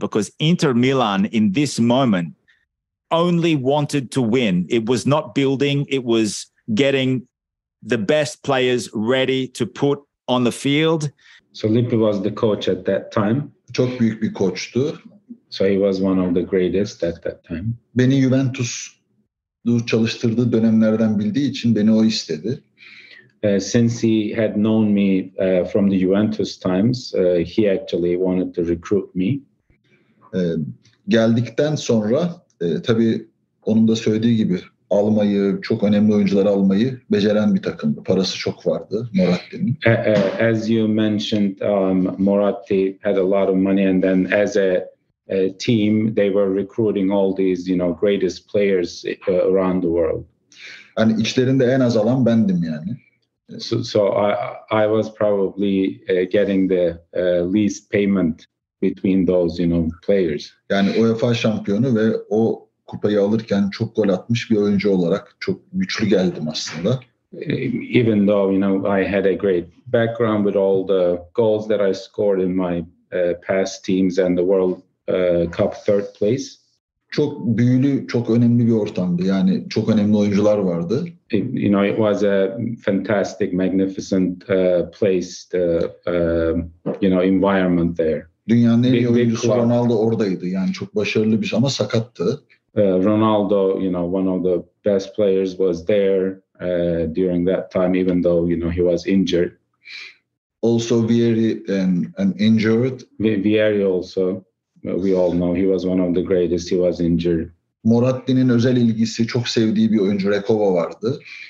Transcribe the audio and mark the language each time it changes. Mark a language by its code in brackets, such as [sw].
[en] Because Inter Milan in this moment only wanted to win. It was not building. It was getting the best players ready to put on the field. So Lippi was the coach at that time. [tr] Çok büyük bir koçtu. [en] So he was one of the greatest at that time. [tr] Beni Juventus'u çalıştırdığı dönemlerden bildiği için beni o istedi. [en] Since he had known me from the Juventus times, he actually wanted to recruit me. [tr] Geldikten sonra tabii onun da söylediği gibi almayı, çok önemli oyuncuları almayı beceren bir takımdı. Parası çok vardı Moratti'nin. [en] As you mentioned, Moratti had a lot of money and then as a team, they were recruiting all these, you know, greatest players around the world. [tr] Yani içlerinde en az alan bendim yani. [en] So I was probably getting the least payment between those, you know, players. [tr] Yani UEFA şampiyonu ve o kupayı alırken çok gol atmış bir oyuncu olarak çok güçlü geldim aslında. [en] Even though, you know, I had a great background with all the goals that I scored in my past teams and the World Cup third place. [tr] Çok büyülü, çok önemli bir ortamdı. Yani çok önemli oyuncular vardı. [en] You know, it was a fantastic, magnificent place, the you know, environment there. [tr] Dünyanın en iyi oyuncusu club. Ronaldo oradaydı. Yani çok başarılı bir şey ama sakattı. [en] Ronaldo, you know, one of the best players was there during that time, even though, you know, he was injured. Also Vieri and injured. Vieri also, we all know, he was one of the greatest, he was injured. [tr] Moratti'nin özel ilgisi, çok sevdiği bir oyuncu Rekova vardı.